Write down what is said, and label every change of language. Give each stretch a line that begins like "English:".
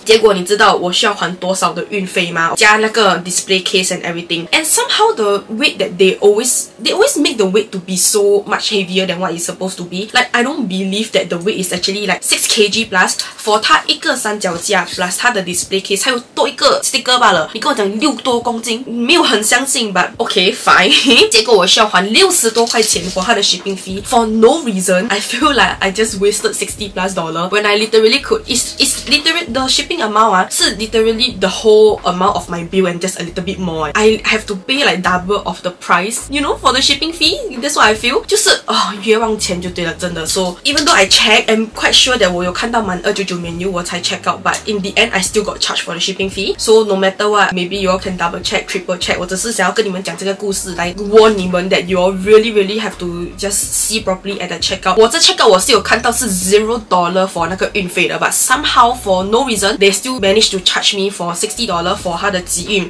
Chinese: 结果你知道我需要还多少的运费吗？加那个
English: display case and everything. And somehow the weight that they always make the weight to be so much heavier than what it's supposed to be. Like I don't believe that the weight is actually like 6kg plus for
Chinese: 它一个三脚架
English: plus
Chinese: 它的 display case 还有多一个 sticker 罢了。你跟我讲6多公斤，没有很相信
English: but okay fine.
Chinese: 结果我需要还60多块钱 for 它的
English: shipping fee for no reason. I feel like I just wasted $60+ when I literally could. It's literally the shipping amount 啊，是 literally the whole amount of my bill and just a little bit more. I have to pay like double of the price, you know, for the shipping fee. That's what I feel.
Chinese: 就是啊，冤枉钱就对了，真的。
English: So even though I check, I'm quite sure that
Chinese: 我有看到满299免邮我才
English: check out, but in the end I still got charged for the shipping fee. So no matter what, maybe you all can double check, triple check.
Chinese: 我只是想要跟你们讲这个故事来
English: warn
Chinese: 你们
English: that you all really really have to just see properly at the checkout.
Chinese: 我在
English: checkout
Chinese: 我是有看到是
English: $0 for
Chinese: 那个运费的，
English: but somehow for no reason they still managed to charge me for $60 for
Chinese: 他的集运。